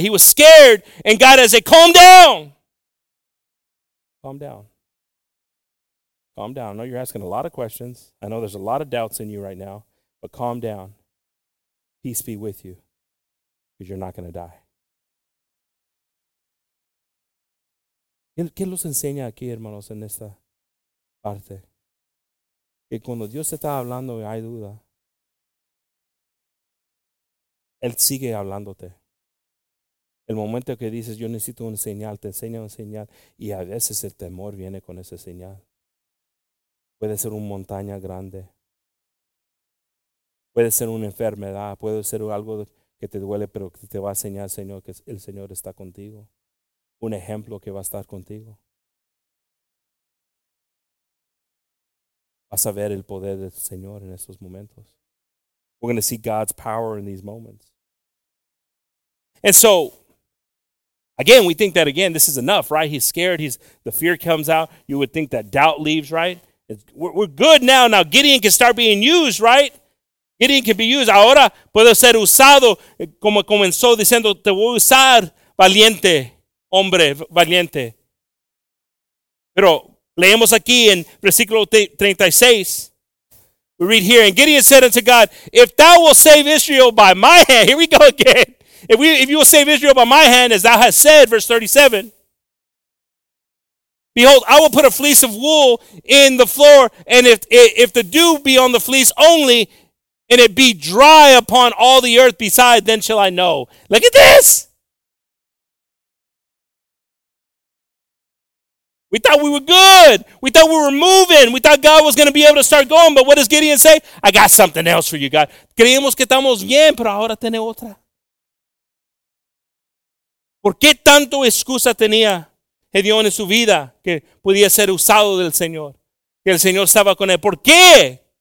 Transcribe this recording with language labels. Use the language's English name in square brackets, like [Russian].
[English] He was scared, and God has said, calm down. Calm down. Calm down. I know you're asking a lot of questions. I know there's a lot of doubts in you right now, but calm down. Peace be with you, because you're not going to die. [Spanish] ¿Qué los enseña aquí, hermanos, en esta parte? Que cuando Dios está hablando, hay duda. Él sigue hablándote. El momento que dices, yo necesito una señal, te enseña una señal. Y a veces el temor viene con esa señal. Puede ser una montaña grande. Puede ser una enfermedad. Puede ser algo que te duele, pero que te va a enseñar, Señor, que el Señor está contigo. Un ejemplo que va a estar contigo. Vas a ver el poder del Señor en estos momentos. [English] We're going to see God's power in these moments. And so, again, we think that, again, this is enough, right? He's scared. The fear comes out. You would think that doubt leaves, right? We're good now. Now, Gideon can start being used, right? Gideon can be used. [Spanish] Ahora puedo ser usado, como comenzó diciendo, te voy a usar, valiente, hombre, valiente. Pero leemos aquí en versículo 36. [English] We read here, and Gideon said unto God, if thou wilt save Israel by my hand, here we go again. If you will save Israel by my hand, as thou hast said, verse 37, behold, I will put a fleece of wool in the floor, and if the dew be on the fleece only, and it be dry upon all the earth beside, then shall I know. Look at this! We thought we were good. We thought we were moving. We thought God was going to be able to start going, but what does Gideon say? I got something else for you, God. [Spanish] Creemos que estamos bien, pero ahora tiene otra. ¿Por qué tanto excusa tenía Gedeón en su vida que podía ser usado del Señor? Que el Señor estaba con él. ¿Por qué?